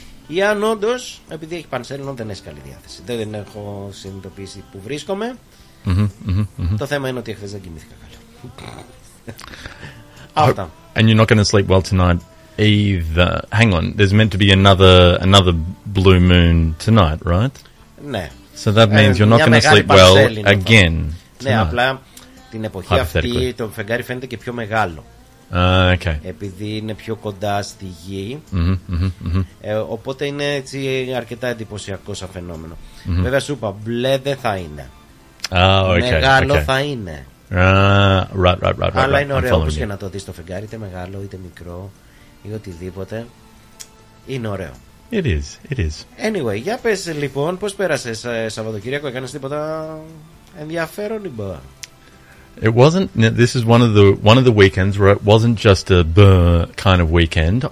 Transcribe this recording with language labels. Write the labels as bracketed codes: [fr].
[el] Ή αν όντως, επειδή έχει πανσέλινο, δεν έχει καλή διάθεση. Δεν έχω συνειδητοποιήσει που βρίσκομαι. Το θέμα είναι ότι χθες δεν κοιμήθηκα καλά. Αυτά. [en] And you're not going to sleep well tonight either. Hang on, there's meant to be another blue moon tonight, right? [el] Ναι. [en] So that means you're not going to sleep well again. [el] Ναι, απλά την εποχή αυτή το φεγγάρι φαίνεται και πιο μεγάλο. [en] Okay. [el] Επειδή είναι πιο κοντά στη γη, οπότε είναι έτσι αρκετά εντυπωσιακό σαν φαινόμενο. Βέβαια σου είπα, μπλε δεν θα είναι. Μεγάλο θα είναι. [en] Right. [el] Αλλά είναι ωραίο όπως και να το δεις το φεγγάρι, είτε μεγάλο είτε μικρό ή οτιδήποτε. Είναι ωραίο. [en] It is. Anyway, [el] για πες λοιπόν, πώς πέρασες Σαββατοκύριακο, έκανες τίποτα ενδιαφέρον ή μπορεί? [en] It wasn't. This is one of the weekends where it wasn't just a burr kind of weekend.